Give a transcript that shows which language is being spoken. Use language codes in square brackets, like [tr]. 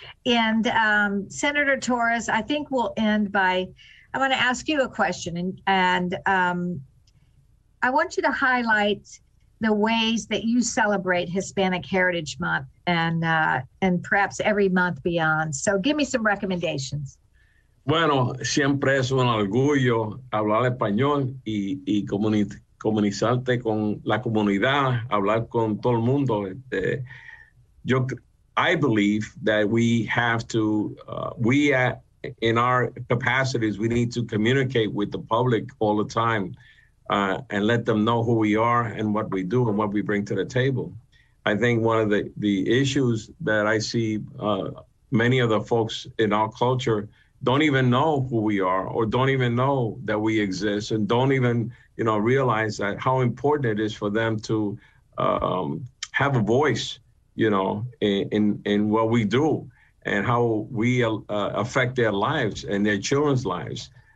[en] And Senator Torres, I think we'll end by, I want to ask you a question, and I want you to highlight the ways that you celebrate Hispanic Heritage Month and perhaps every month beyond. So give me some recommendations. [es] Bueno, siempre es un orgullo hablar español y comunicarte con la comunidad, hablar con todo el mundo. [en] I believe that we have to, in our capacities, we need to communicate with the public all the time. And let them know who we are and what we do and what we bring to the table. I think one of the issues that I see many of the folks in our culture don't even know who we are or don't even know that we exist and don't even, you know, realize that how important it is for them to have a voice, you know, in what we do and how we affect their lives and their children's lives.